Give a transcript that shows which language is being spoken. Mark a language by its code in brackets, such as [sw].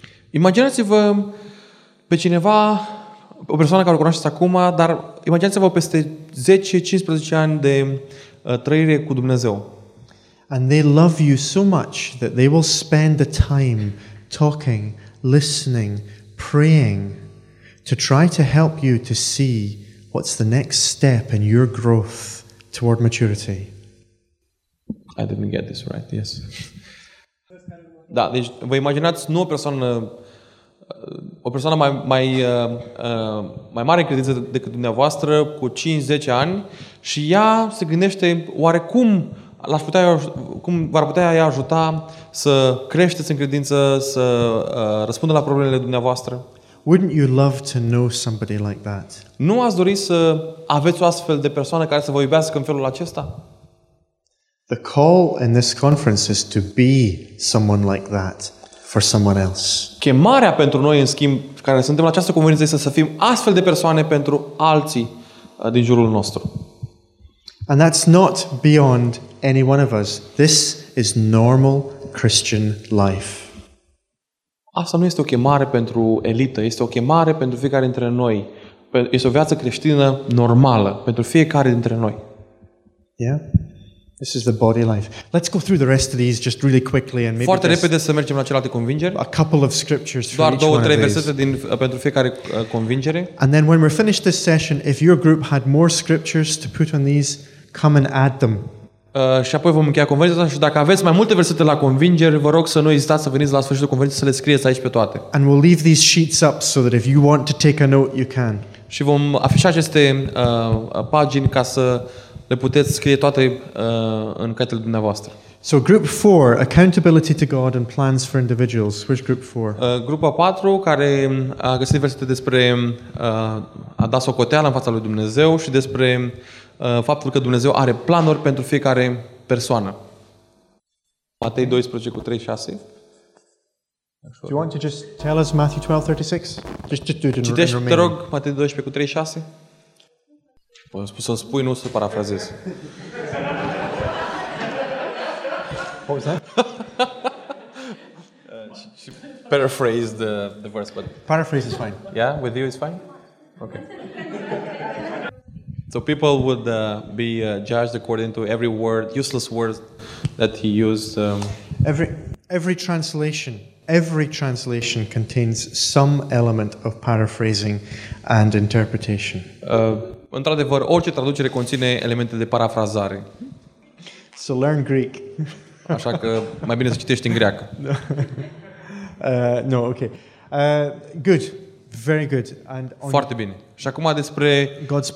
[ro] Imaginați-vă pe cineva, o persoană care o cunoașteți acum, dar imaginați-vă peste 10-15 ani de trăire cu Dumnezeu. [en] And they love you so much that they will spend the time talking, listening, praying, to try to help you to see what's the next step in your growth toward maturity. I didn't get this right, yes. [ro] Da, deci vă imaginați nu o persoană, o persoană mai mare credință decât dumneavoastră, cu 5-10 ani, și ea se gândește oarecum l-aș putea, cum v-ar putea ea ajuta să creșteți în credință, să răspundă la problemele dumneavoastră. [en] Wouldn't you love to know somebody like that? [ro] Nu ați dori să aveți o astfel de persoană care să vă iubească în felul acesta? [en] The call in this conference is to be someone like that for someone else. [ro] Chemarea pentru noi, în schimb, care suntem la această conferință, este să fim astfel de persoane pentru alții din jurul nostru. [en] And that's not beyond any one of us. This is normal Christian life. [ro] Asta nu este o chemare pentru elită, este o chemare pentru fiecare dintre noi. Este o viață creștină normală pentru fiecare dintre noi. [en] Yeah. This is the body life. Let's go through the rest of these just really quickly and maybe [ro] foarte repede să mergem la celelalte convingeri. [en] A couple of scriptures for [ro] doar [en] each [ro] două, [en] one [ro] trei [en] of [ro] versete [en] these. [ro] Din pentru fiecare convingere. [en] And then when we're finished this session, if your group had more scriptures to put on these, come and add them. [ro] Și apoi vom încheia conferința și dacă aveți mai multe versete la convingeri, vă rog să nu ezitați să veniți la sfârșitul conferinței să le scrieți aici pe toate. [en] And we'll leave these sheets up so that if you want to take a note, you can. [ro] Și vom afișa aceste pagini ca să le puteți scrie toate în cărțile dumneavoastră. [en] So group 4, accountability to God and plans for individuals. Which group 4? [ro] Grupa 4, care a găsit versete despre a da socoteală în fața lui Dumnezeu și despre faptul că Dumnezeu are planuri pentru fiecare persoană. Matei 12 cu 3-6. [en] Do you want to just tell us Matthew 12:36? Just do it in Romanian. [ro] Citește, te rog, Matei 12 cu 3-6. Să spui, nu să parafrazez. [en] What was that? She paraphrased the verse, but paraphrase is fine. Yeah, with you is fine. Okay. So people would be judged according to every word, useless word that he used. Every translation contains some element of paraphrasing and interpretation. [ro] Într-adevăr, orice traducere conține elemente de parafrazare. [en] So learn Greek. [ro] Așa că mai bine să citești în greacă. [en] No, okay. Good. Very good. And [ro] foarte bine. Și acum despre [en] God's plans.